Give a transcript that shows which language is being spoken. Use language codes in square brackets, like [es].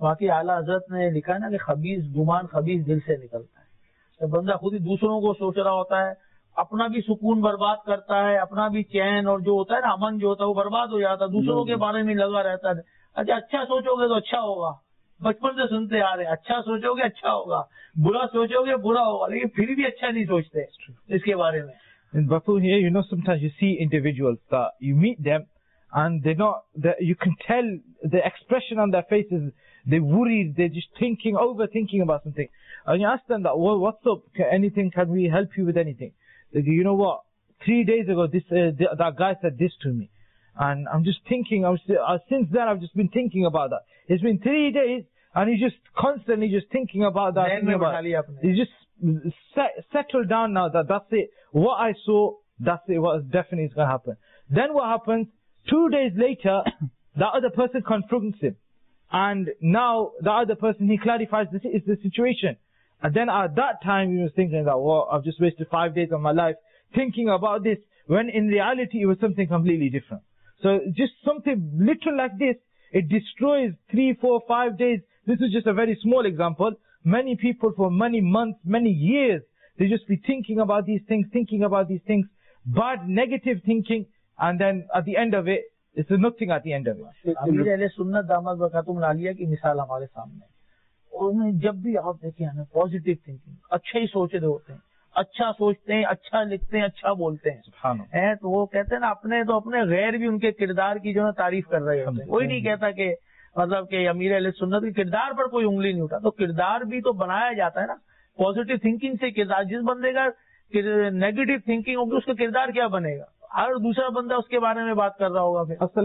[hi] बाकी आला हजरत ने लिखा ना कि खबीज गुमान खबीज दिल से निकलता है तो बंदा खुद ही दूसरों को सोच रहा होता है अपना भी सुकून बर्बाद करता है अपना भी चैन और जो होता है ना अमन जो होता है वो बर्बाद हो जाता है दूसरों के बारे में लगा रहता है अच्छा अच्छा सोचोगे तो अच्छा होगा बचपन से सुनते आ रहे अच्छा सोचोगे अच्छा होगा बुरा सोचोगे बुरा होगा लेकिन फिर भी अच्छा नहीं सोचते इसके बारे में [en] बफू you know sometimes you see individuals you meet them and they not you can tell the expression on their faces they worried they just thinking over thinking about something And you ask them that, well, what's up? Anything? Can we help you with anything? They go, you know what? 3 days ago, that guy said this to me. And I'm just thinking, since then, I've just been thinking about that. It's been 3 days, and he's just constantly just thinking about that. He's just settled down now that that's it. What I saw, that's it. What definitely is going to happen. Then what happens? 2 days later, that other person confronts him. And now, the other person, he clarifies this is the situation. And then at that time, he was thinking that, well, I've just wasted 5 days of my life thinking about this, when in reality, it was something completely different. So just something little like this, it destroys 3, 4, 5 days. This is just a very small example. Many people for many months, many years, they just be thinking about these things, bad negative thinking, and then at the end of it, it's a nothing at the end of it. [hi] अभी पहले सुन्नत दामाद बखातुम ला लिया कि मिसाल हमारे सामने और मैं जब भी आप देखे हैं ना पॉजिटिव थिंकिंग अच्छे ही सोच रहे होते हैं अच्छा सोचते हैं अच्छा लिखते हैं अच्छा बोलते हैं है तो वो कहते हैं ना अपने तो अपने गैर भी उनके किरदार की जो है तारीफ कर रहे होते हैं कोई नहीं कहता कि मतलब कि अमीर अहले सुन्नत के किरदार पर कोई उंगली नहीं उठा तो किरदार भी तो बनाया जाता है ना पॉजिटिव थिंकिंग से किरदार जिस बंदे का नेगेटिव थिंकिंग होगी उसका किरदार क्या बनेगा हर दूसरा बंदा उसके बारे में बात कर रहा होगा फिर